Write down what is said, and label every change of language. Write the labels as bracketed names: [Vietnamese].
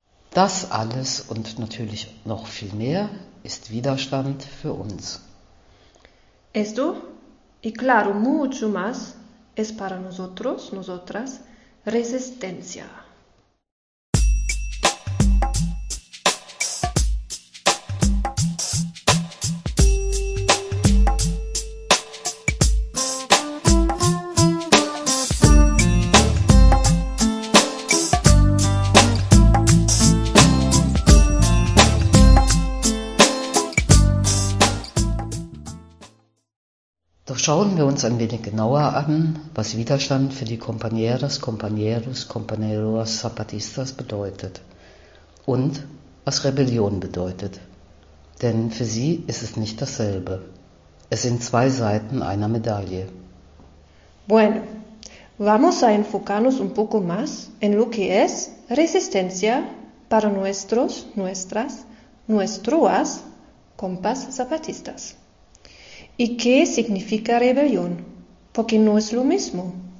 [German] Das alles und natürlich noch viel mehr ist Widerstand für uns. [Spanish] Esto, y claro, mucho más, es para nosotros, nosotras, resistencia. [German] Schauen wir uns ein wenig genauer an, was Widerstand für die Compañeras, Compañeros, Compañeros Zapatistas bedeutet und was Rebellion bedeutet. Denn für sie ist es nicht dasselbe. Es sind zwei Seiten einer Medaille. [Spanish] Bueno, vamos a enfocarnos un poco más en lo que es resistencia para nuestros, nuestras, nuestras compas zapatistas. ¿Y qué significa rebelión? Porque no es lo mismo.